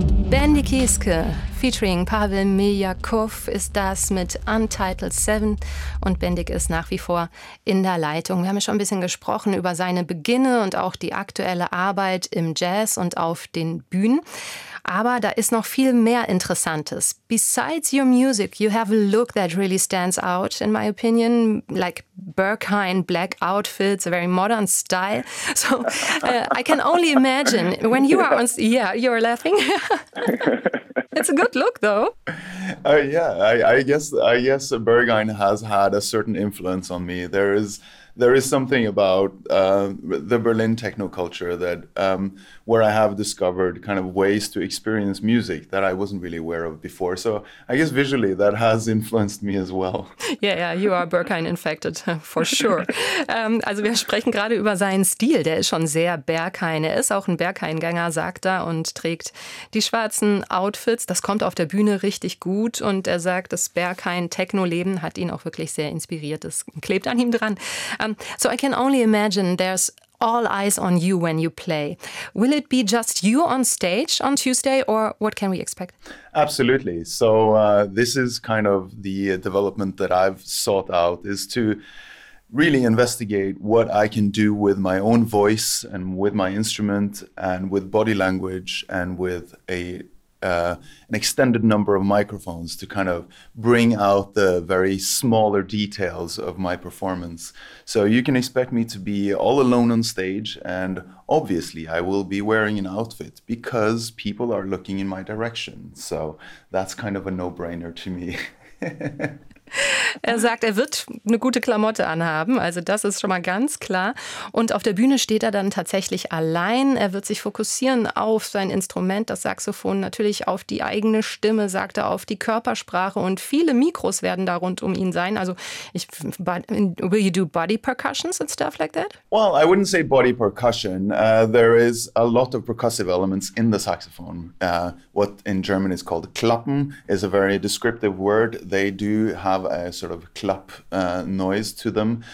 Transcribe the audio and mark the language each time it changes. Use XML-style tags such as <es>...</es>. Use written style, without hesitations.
<de>Bendy Kieske featuring Pavel Miljakov ist das mit Untitled 7 und Bendik ist nach wie vor in der Leitung. Wir haben ja schon ein bisschen gesprochen über seine Beginne und auch die aktuelle Arbeit im Jazz und auf den Bühnen. Aber da ist noch viel mehr Interessantes.</de> <en>Besides your music, you have a look that really stands out, in my opinion, like Berghain black outfits, a very modern style. So I can only imagine when you are on... Yeah, you're laughing. It's a good look, though. I guess Berghain has had a certain influence on me. There is something about the Berlin techno culture that where I have discovered kind of ways to experience music that I wasn't really aware of before. So I guess visually that has influenced me as well. Yeah, you are Berghain infected for sure.</en> <de>Also wir sprechen gerade über seinen Stil. Der ist schon sehr Berghain. Er ist auch ein Berghain-Gänger, sagt er, und trägt die schwarzen Outfits. Das kommt auf der Bühne richtig gut. Und er sagt, das Berghain-Techno-Leben hat ihn auch wirklich sehr inspiriert. Das klebt an ihm dran.</de> <en>So I can only imagine there's all eyes on you when you play. Will it be just you on stage on Tuesday or what can we expect? Absolutely. So this is kind of the development that I've sought out is to really investigate what I can do with my own voice and with my instrument and with body language and with an extended number of microphones to kind of bring out the very smaller details of my performance. So you can expect me to be all alone on stage, and obviously I will be wearing an outfit because people are looking in my direction. So that's kind of a no-brainer to me.</en> <de>Er sagt, er wird eine gute Klamotte anhaben, also das ist schon mal ganz klar. Und auf der Bühne steht er dann tatsächlich allein. Er wird sich fokussieren auf sein Instrument, das Saxophon, natürlich auf die eigene Stimme, sagt er, auf die Körpersprache. Und viele Mikros werden da rund um ihn sein.</de> <en>Also, will you do body percussions and stuff like that? Well, I wouldn't say body percussion. There is a lot of percussive elements in the saxophone. What in German is called klappen is a very descriptive word. They do have a sort of clap noise to them.</en>